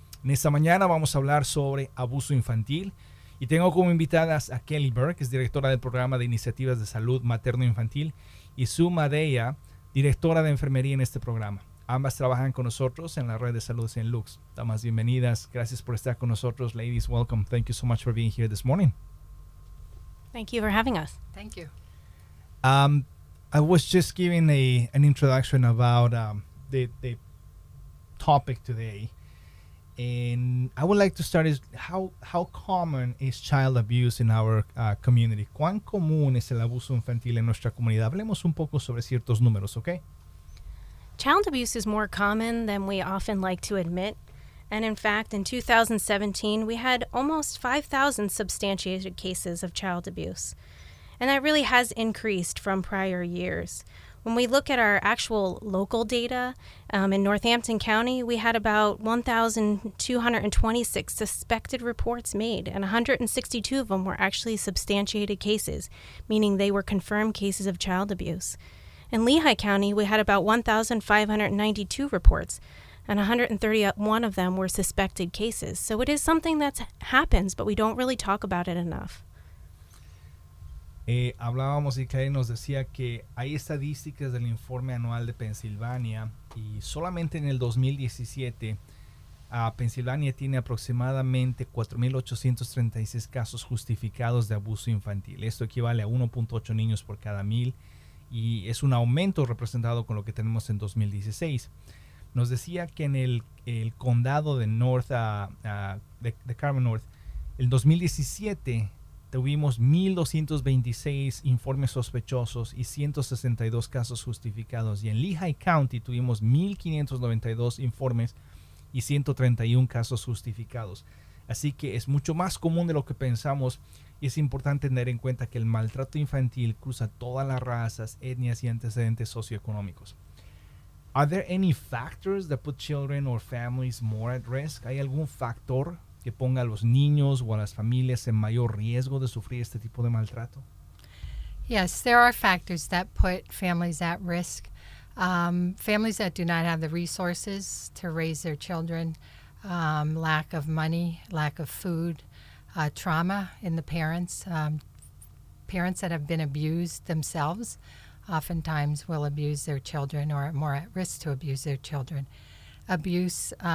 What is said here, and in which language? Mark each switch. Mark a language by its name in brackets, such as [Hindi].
[Spanish] En esta mañana vamos a hablar sobre abuso infantil. Y tengo como invitadas a Kelly Burke, que es directora del Programa de Iniciativas de Salud Materno-Infantil, y Sue Madeya, directora de enfermería en este programa. Ambas trabajan con nosotros en la red de salud St. Luke's. Damas, bienvenidas. Gracias por estar con nosotros. [English] Ladies, welcome. Thank you so much for being here this morning. Thank you for having us. Thank you. I was just giving an introduction about the topic today. And I would like to start is how common is child abuse in our community? [Spanish] ¿Cuán común es el abuso infantil en nuestra comunidad? Hablemos un poco sobre ciertos números, okay? [English] Child abuse is more common than we often like to admit. And in fact, in 2017, we had almost 5,000 substantiated cases of child abuse. And that really has increased from prior years. When we look at our actual local data, in Northampton County, we had about 1,226 suspected reports made, and 162 of them were actually substantiated cases, meaning they were confirmed cases of child abuse. In Lehigh County, we had about 1,592 reports, and 131 of them were suspected cases. So it is something that happens, but we don't really talk about it enough. [Spanish] Hablábamos y Clay nos decía que hay estadísticas del informe anual de Pensilvania y solamente en el 2017 Pensilvania tiene aproximadamente 4,836 casos justificados de abuso infantil. Esto equivale a 1.8 niños por cada 1,000 y es un aumento representado con lo que tenemos en 2016. Nos decía que en el condado de North, de Carmel North, en 2017 tuvimos 1,226 informes sospechosos y 162 casos justificados. Y en Lehigh County tuvimos 1,592 informes y 131 casos justificados. Así que es mucho más común de lo que pensamos. Y es importante tener en cuenta que el maltrato infantil cruza todas las razas, etnias y antecedentes socioeconómicos. [English] Are there any factors that put children or families more at risk? [Spanish] ¿Hay algún factor que ponga a los niños o a las familias en mayor riesgo de sufrir este tipo de maltrato? [English] Yes, there are factors that put families at risk. Families that do not have the resources to raise their children, lack of money, lack of food, trauma in the parents. Parents that have been abused themselves oftentimes will abuse their children or are more at risk to abuse their children. Abuse